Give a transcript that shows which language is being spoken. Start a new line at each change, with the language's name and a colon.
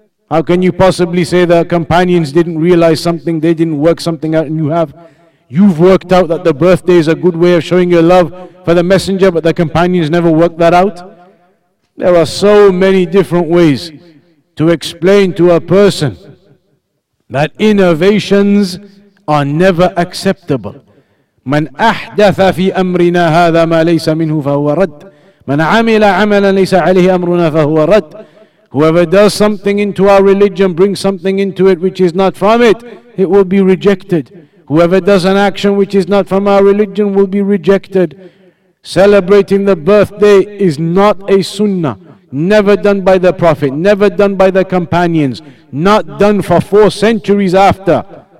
English: How can you possibly say the companions didn't realize something, they didn't work something out, and you've worked out that the birthday is a good way of showing your love for the messenger, but the companions never worked that out? There are so many different ways to explain to a person that innovations are never acceptable.
Arabic: من أحدث في أمرنا هذا ما ليس منه فهو رد من عمل عملا ليس عليه أمرنا فهو رد.
English: Whoever does something into our religion, brings something into it which is not from it, it will be rejected. Whoever does an action which is not from our religion will be rejected. Celebrating the birthday is not a sunnah. Never done by the Prophet, never done by the companions, not done for 4 centuries after.